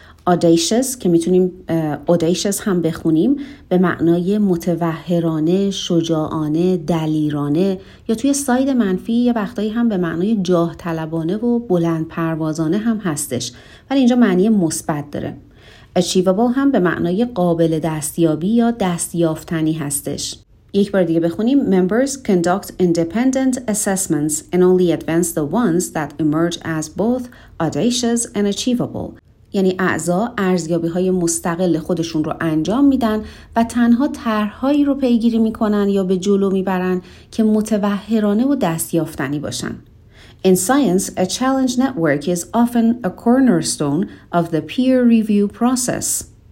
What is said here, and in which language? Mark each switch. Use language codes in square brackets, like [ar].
[fa] audacious که میتونیم audacious هم بخونیم به معنای متوهرانه، شجاعانه، دلیرانه، یا توی ساید منفی یه وقتایی هم به معنای جاه طلبانه و بلند پروازانه هم هستش، ولی اینجا معنی مثبت داره. achievable هم به معنای قابل دستیابی یا دستیافتنی هستش. یک بار دیگه بخونیم. [en] Members conduct independent assessments and only advance the ones that emerge as both audacious and achievable. [fa] یعنی اعضا ارزیابی‌های مستقل خودشون رو انجام میدن و تنها طرح‌هایی رو پیگیری میکنن یا به جلو میبرن که متوهرانه و دستیافتنی باشن. [en] In science, a challenge network is often a cornerstone of the peer review process.